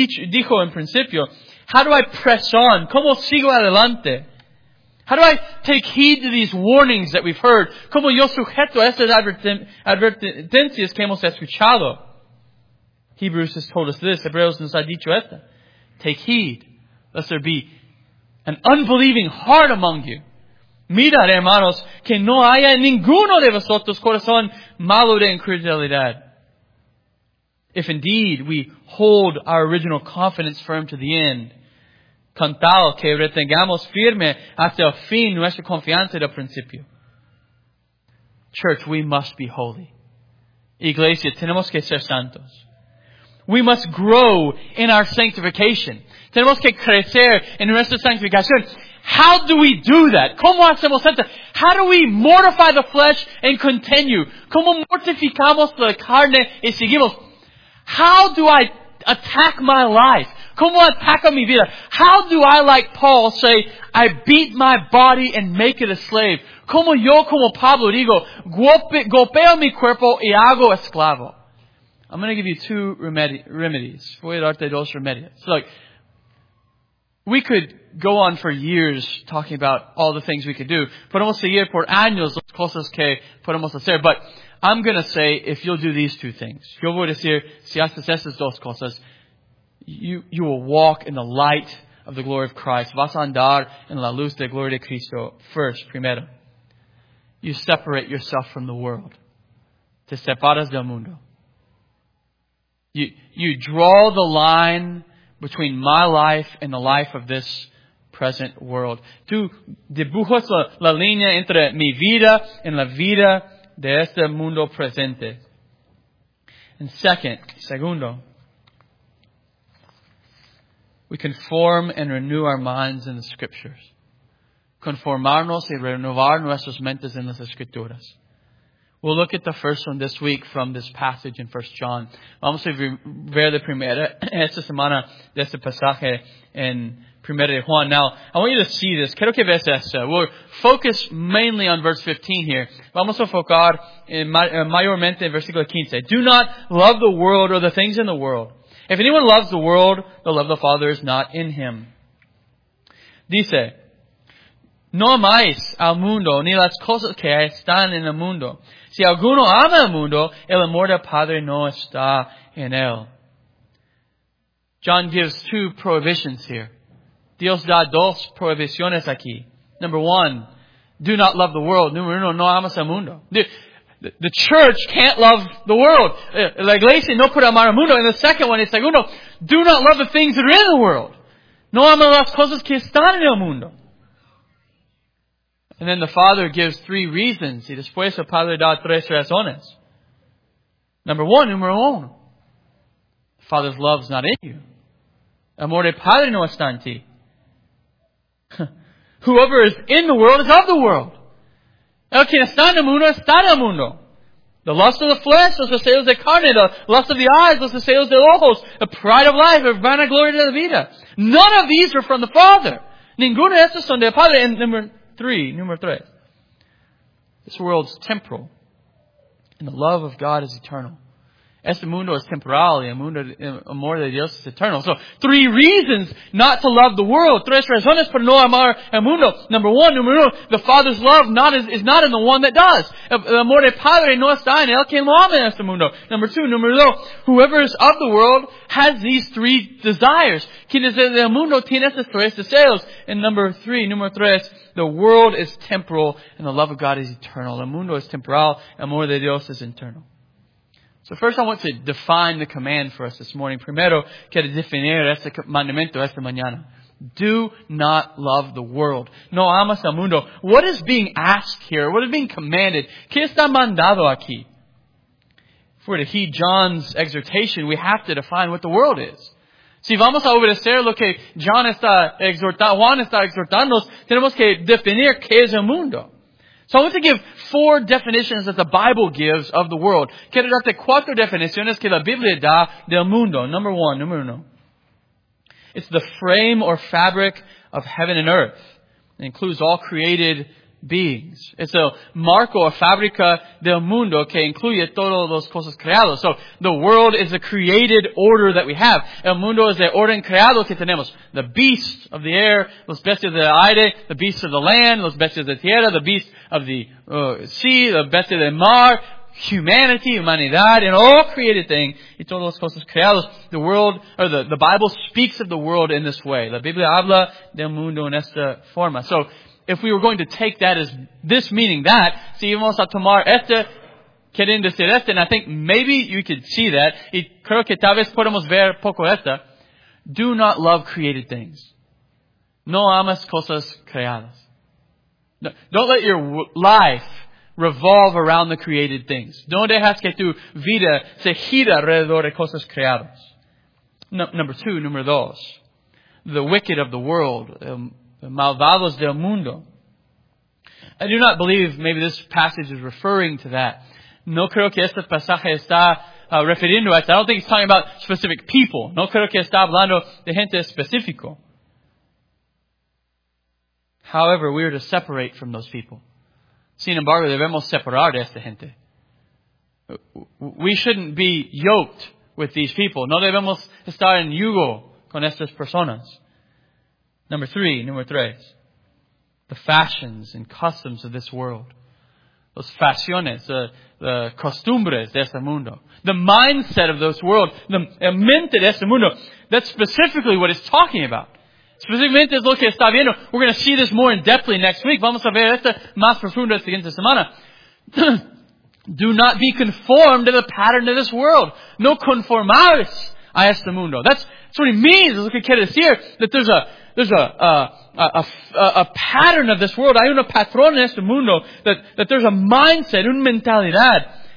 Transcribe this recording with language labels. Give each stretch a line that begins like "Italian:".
Spanish: dijo en principio,
English: how do I press on?
Spanish: ¿Cómo sigo adelante?
English: How do I take heed to these warnings that we've heard?
Spanish: ¿Cómo yo sujeto a estas advertencias que hemos escuchado?
English: Hebrews has told us this.
Spanish: Hebreos nos ha dicho esto.
English: Take heed, lest there be an unbelieving heart among you.
Spanish: Mirad, hermanos, que no haya ninguno de vosotros corazón malo de incredulidad.
English: If indeed we hold our original confidence firm to the end,
Spanish: con tal que retengamos firme hasta el fin nuestra confianza del principio.
English: Church, we must be holy.
Spanish: Iglesia, tenemos que ser santos.
English: We must grow in our sanctification.
Spanish: Tenemos que crecer en nuestra sanctificación.
English: How do we do that?
Spanish: ¿Cómo hacemos esto?
English: How do we mortify the flesh and continue?
Spanish: ¿Cómo mortificamos la carne y seguimos?
English: How do I attack my life?
Spanish: ¿Cómo ataco mi vida?
English: How do I, like Paul, say, I beat my body and make it a slave?
Spanish: ¿Cómo yo, como Pablo, digo, golpeo mi cuerpo y hago esclavo?
English: I'm going to give you two remedies.
Spanish: Voy a darte dos remedios.
English: So, like, we could go on for years talking about all the things we could do.
Spanish: Podemos seguir por años las cosas que podemos hacer.
English: But I'm going to say, if you'll do these two things.
Spanish: Yo voy a decir, si haces estas dos cosas,
English: you will walk in the light of the glory of Christ.
Spanish: Vas a andar en la luz de gloria de Cristo first, primero.
English: You separate yourself from the world.
Spanish: Te separas del mundo.
English: You draw the line between my life and the life of this present world.
Spanish: Tú dibujas la línea entre mi vida y la vida de este mundo presente.
English: And segundo, we conform and renew our minds in the Scriptures.
Spanish: Conformarnos y renovar nuestras mentes en las Escrituras.
English: We'll look at the first one this week from this passage in 1 John.
Spanish: Vamos a ver la primera esta semana de este pasaje en 1 Juan.
English: Now, I want you to see this.
Spanish: Quiero que veas esto.
English: We'll focus mainly on verse 15 here.
Spanish: Vamos a enfocar mayormente en versículo 15.
English: Do not love the world or the things in the world. If anyone loves the world, the love of the Father is not in him.
Spanish: Dice, no amáis al mundo ni las cosas que están en el mundo. Si alguno ama el mundo, el amor del Padre no está en él.
English: John gives two prohibitions here.
Spanish: Dios da dos prohibiciones aquí.
English: Number one, do not love the world.
Spanish: Número uno, no amas al mundo.
English: The church can't love the world.
Spanish: La iglesia no puede amar al mundo.
English: And the second one is, segundo, do not love the things that are in the world.
Spanish: No ama las cosas que están en el mundo.
English: And then the Father gives three reasons.
Spanish: Y después el Padre da tres razones.
English: Number one,
Spanish: número uno.
English: The Father's love is not in you.
Spanish: Amor de Padre no está en ti.
English: Whoever is in the world is of the world.
Spanish: El que está en el mundo está en el mundo.
English: The lust of the flesh,
Spanish: los deseos de carne.
English: The lust of the eyes,
Spanish: los deseos de ojos.
English: The pride of life, the vanaglory
Spanish: de la vida.
English: None of these are from the Father.
Spanish: Ninguno de estos son del Padre. And número tres.
English: This world is temporal. And the love of God is eternal.
Spanish: Este mundo es temporal y el amor de Dios es eterno.
English: So, three reasons not to love the world.
Spanish: Tres razones para no amar el mundo.
English: Number uno, the Father's love is not in the one that does.
Spanish: El amor de Padre no está en el que lo ama en este mundo.
English: Number two, whoever is of the world has these three desires.
Spanish: Quien es del mundo tiene estos tres deseos.
English: And number three, the world is temporal and the love of God is eternal.
Spanish: El mundo es temporal, el amor de Dios es eterno.
English: So first I want to define the command for us this morning.
Spanish: Primero, quiero definir este mandamiento esta mañana.
English: Do not love the world.
Spanish: No amas al mundo.
English: What is being asked here? What is being commanded?
Spanish: ¿Qué está mandado aquí?
English: If we're to heed John's exhortation, we have to define what the world is.
Spanish: Si vamos a obedecer lo que Juan está exhortándonos, tenemos que definir qué es el mundo.
English: So I want to give four definitions that the Bible gives of the world.
Spanish: Quiero darte cuatro definiciones que la Biblia da del mundo.
English: Number uno. It's the frame or fabric of heaven and earth. It includes all created beings.
Spanish: It's a marco, a fábrica del mundo que incluye todos los cosas creados.
English: So, the world is a created order that we have.
Spanish: El mundo es el orden creado que tenemos.
English: The beast of the air,
Spanish: los bestias del aire,
English: the beast of the land,
Spanish: los bestias de tierra,
English: the beast of the sea, the bestia del mar, humanity, humanidad, and all created things,
Spanish: y todas las cosas creadas.
English: The world, or the Bible speaks of the world in this way.
Spanish: La Biblia habla del mundo en esta forma.
English: So, if we were going to take that as this meaning that,
Spanish: si vamos a tomar esta, queriendo decir esta,
English: and I think maybe you could see that,
Spanish: y creo que tal vez podemos ver poco esta,
English: do not love created things.
Spanish: No amas cosas creadas.
English: No, don't let your life revolve around the created things.
Spanish: No dejas que tu vida se gira alrededor de cosas creadas.
English: Número dos. The wicked of the world.
Spanish: Malvados del mundo.
English: I do not believe maybe this passage is referring to that.
Spanish: No creo que este pasaje está refiriendo a esto.
English: I don't think it's talking about specific people.
Spanish: No creo que está hablando de gente específico.
English: However, we are to separate from those people.
Spanish: Sin embargo, debemos separar de esta gente.
English: We shouldn't be yoked with these people.
Spanish: No debemos estar en yugo con estas personas. Número tres.
English: The fashions and customs of this world.
Spanish: Los fashiones,
English: the costumbres
Spanish: de este mundo.
English: The mindset of this world. The
Spanish: mente de este mundo.
English: That's specifically what it's talking about. Specifically,
Spanish: es lo que está viendo.
English: We're going to see this more in depthly next week.
Spanish: Vamos a ver esto más profundo la siguiente semana.
English: Do not be conformed to the pattern of this world.
Spanish: No conformarse a este mundo.
English: That's what he means.
Spanish: Es lo que quiere decir.
English: That there's a pattern of this world.
Spanish: Hay una patrón en este mundo.
English: That there's a mindset,
Spanish: una mentalidad.